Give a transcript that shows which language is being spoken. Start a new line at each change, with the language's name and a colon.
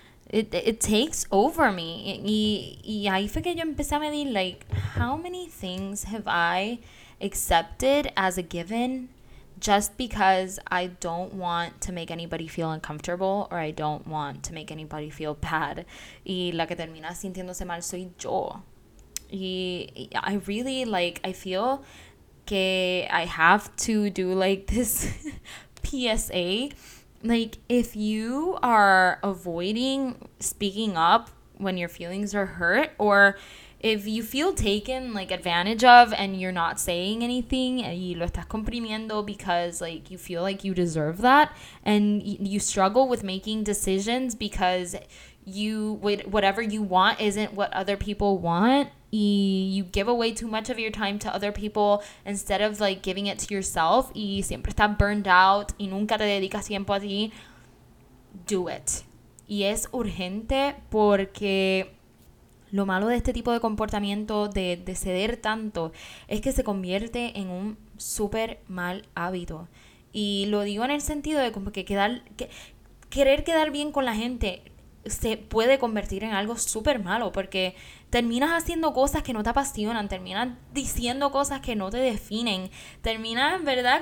English: It takes over me.
Spanish: Y ahí fue que yo empecé a medir,
English: like, how many things have I accepted as a given just because I don't want to make anybody feel uncomfortable or I don't want to make anybody feel bad.
Spanish: Y la que termina sintiéndose mal soy yo. Y
English: I really, like, I feel
Spanish: que
English: I have to do, like, this PSA. Like, if you are avoiding speaking up when your feelings are hurt, or if you feel taken, like, advantage of, and you're not saying anything,
Spanish: y lo estás comprimiendo
English: because, like, you feel like you deserve that, and you struggle with making decisions because you, whatever you want isn't what other people want, y you give away too much of your time to other people instead of, like, giving it to yourself,
Spanish: y siempre estás
English: burned out,
Spanish: y nunca te dedicas tiempo a ti,
English: do it.
Spanish: Y es urgente porque lo malo de este tipo de comportamiento de ceder tanto es que se convierte en un súper mal hábito. Y lo digo en el sentido de como que querer quedar bien con la gente se puede convertir en algo súper malo, porque terminas haciendo cosas que no te apasionan, terminas diciendo cosas que no te definen, terminas, ¿verdad?